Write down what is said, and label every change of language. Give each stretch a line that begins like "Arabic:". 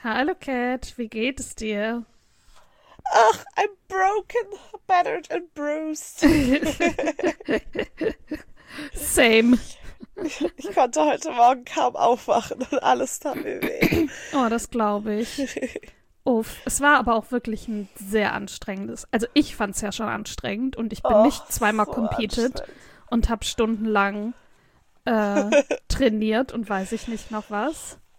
German: Hallo Kat, wie geht es dir?
English: Ach, I'm broken, battered and bruised. Same.
German: Ich konnte heute Morgen kaum aufwachen und alles tat mir weh. Oh, das glaube ich. Uff, es war aber auch wirklich ein sehr anstrengendes. Also ich fand es ja schon anstrengend und ich bin Oh, nicht zweimal so
English: competed
German: anstrengend. und habe stundenlang trainiert und weiß ich nicht noch was.